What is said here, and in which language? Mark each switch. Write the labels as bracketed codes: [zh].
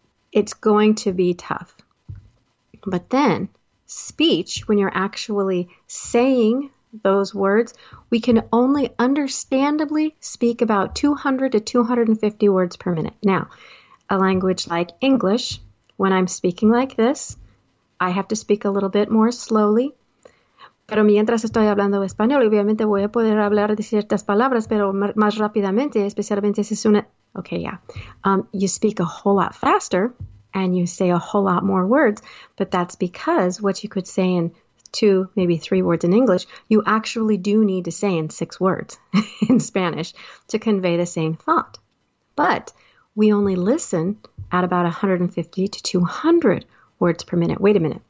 [en] It's going to be tough. But then speech, when you're actually saying those words, we can only understandably speak about 200 to 250 words per minute. Now, a language like English, when I'm speaking like this, I have to speak a little bit more slowly. [es] Pero mientras estoy hablando español, obviamente voy a poder hablar de ciertas palabras, pero más rápidamente, especialmente si es una... [en] Okay, yeah. You speak a whole lot faster and you say a whole lot more words, but that's because what you could say in two, maybe three words in English, you actually do need to say in six words in Spanish to convey the same thought. But we only listen at about 150 to 200 words per minute. Wait a minute.